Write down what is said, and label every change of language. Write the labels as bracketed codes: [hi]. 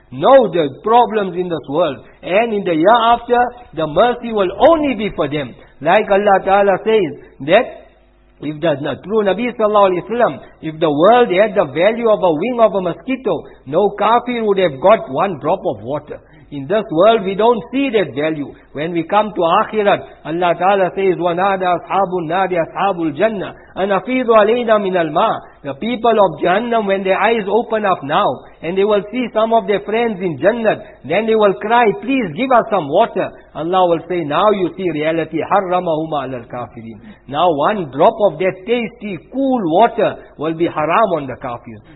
[en] No problems in this world. And in the year after, the mercy will only be for them. Like Allah Ta'ala says, that if the true Nabi Sallallahu Alaihi Wasallam, if the world had the value of a wing of a mosquito, no kafir would have got one drop of water. In this world, we don't see that value. When we come to Akhirat, Allah Ta'ala says, [ar] وَنَادَ أَصْحَابُ النَّارِ أَصْحَابُ الْجَنَّةِ أَنَفِيدُ عَلَيْنَا مِنَ الْمَاءِ. [en] The people of Jahannam, when their eyes open up now, and they will see some of their friends in Jannat, then they will cry, please give us some water. Allah will say, now you see reality. [ar] حَرَّمَهُمَا عَلَى الْكَافِرِينَ. [en] Now one drop of that tasty, cool water will be haram on the kafirs.